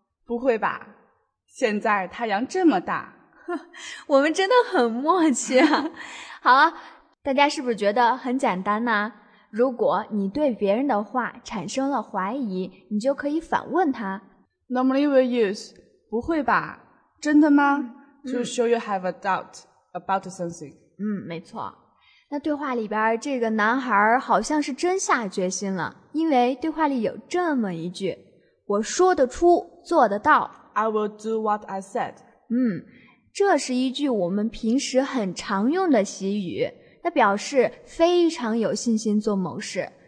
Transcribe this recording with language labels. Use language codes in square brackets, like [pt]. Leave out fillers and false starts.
[zh] 不会吧，现在太阳这么大。我们真的很默契啊。好啊，大家是不是觉得很简单呢？如果你对别人的话产生了怀疑，你就可以反问他。 [en] Normally we use, [zh] 不会吧，真的吗？ [en] To show you have a doubt about something. [zh] 没错。那对话里边这个男孩好像是真下决心了，因为对话里有这么一句，我说得出做得到。 [en] I will do what I said. [zh] 这是一句我们平时很常用的习语，那表示非常有信心做某事。